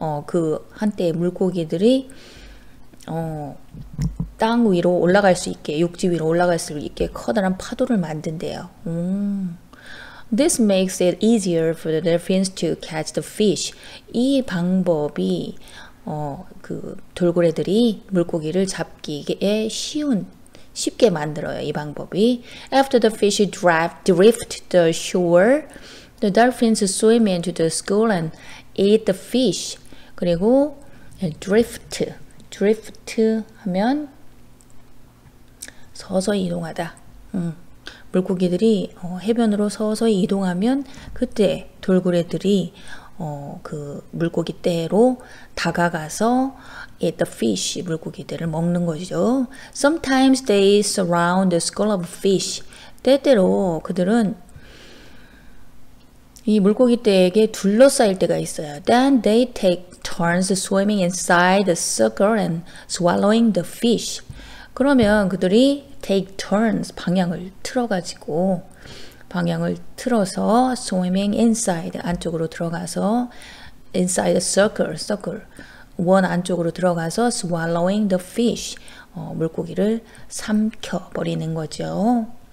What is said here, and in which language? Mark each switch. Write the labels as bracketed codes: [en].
[ko] 그 한때 물고기들이 땅 위로 올라갈 수 있게, 육지 위로 올라갈 수 있게 커다란 파도를 만든대요. [en] This makes it easier for the dolphins to catch the fish. [ko] 이 방법이 그 돌고래들이 물고기를 잡기에 쉽게 만들어요. 이 방법이. [en] After the fish drift the shore, the dolphins swim into the school and eat the fish. [ko] 그리고 drift 하면 서서히 이동하다. 물고기들이 해변으로 서서히 이동하면 그때 돌고래들이 그 물고기 떼로 다가가서 [en] eat the fish, [ko] 물고기들을 먹는 거죠. [en] Sometimes they surround the school of fish. [ko] 때때로 그들은 이 물고기 떼에게 둘러싸일 때가 있어요. [en] Then they take turns swimming inside the circle and swallowing the fish. [ko] 그러면 그들이 [en] take turns, [ko] 방향을 틀어서 [en] swimming inside, [ko] 안쪽으로 들어가서 [en] inside the circle, [ko] 원 안쪽으로 들어가서 [en] swallowing the fish, [ko] 물고기를 삼켜버리는 거죠.